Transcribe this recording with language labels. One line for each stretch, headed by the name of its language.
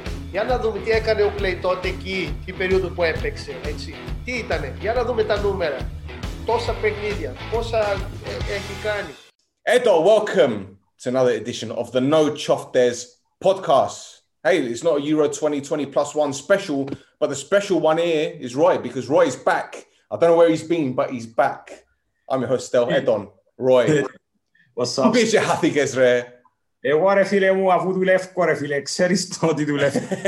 Greek: Για να δούμε τι έκανε ο Κλέι τότε εκεί, την περίοδο που έπαιξε, έτσι. Τι ήτανε, για να δούμε τα νούμερα. Τόσα παιχνίδια, πόσα έχει κάνει.
English: Εδώ, welcome to another edition of the No Chuff Days podcast. Hey, it's not a Euro 2020 plus one special, but the special one here is Roy, because Roy is back. I don't know where he's been, but he's back. I'm your host, Del Edon. Roy. What's up?
Greek: Πήγε χάθηκες, ρε. Εγώ, ρε φίλε μου, αφού δουλεύω, ρε φίλε, ξέρεις το ότι δουλεύω.